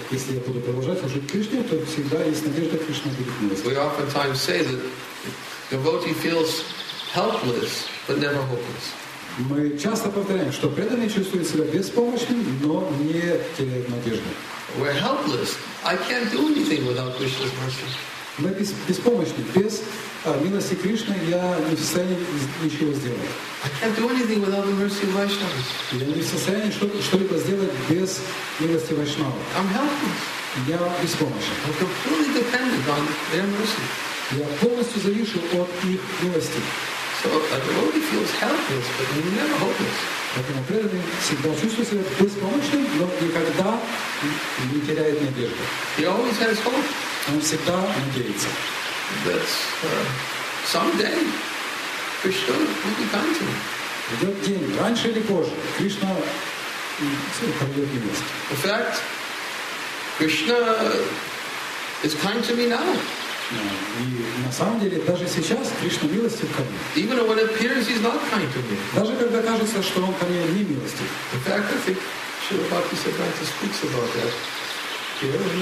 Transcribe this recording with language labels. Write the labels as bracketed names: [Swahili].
[Russian] Если я буду продолжать служить Кришне, то всегда есть надежда, Кришна будет милостив. [English] We oftentimes say that devotee feels helpless, but never hopeless. [Russian] Мы часто повторяем, что преданный чувствует себя беспомощным, но не теряет надежды. [English] We're helpless. I can't do anything without Krishna's mercy. [Russian] Мы беспомощны. Без милости Кришны я не в состоянии ничего сделать. [English] I can't do anything without the mercy of Vaishnavas. [Russian] Я не в состоянии что-либо сделать без милости Вайшнава. [English] I'm helpless. [Russian] Я беспомощен. [English] I'm completely dependent on their mercy. [Russian] Я полностью завишу от их милости. [English] So a devotee feels helpless, but he never hopeless. [Russian] Поэтому преданный всегда чувствует себя беспомощным, но никогда не теряет надежды. [English] He always has hope. [Russian] Он всегда надеется. [English] That's someday Krishna will be kind to me. [Russian] Придет день, раньше или позже, Кришна придет милость. [English] In fact, Krishna is kind to me now. [Russian] И на самом деле даже сейчас Кришна милостив ко мне. [English] Even when it appears he's not kind to me. [Russian] Даже когда кажется, что он ко мне не милостив. [English] In fact, I think Śrīla Bhaktisiddhānta speaks about that.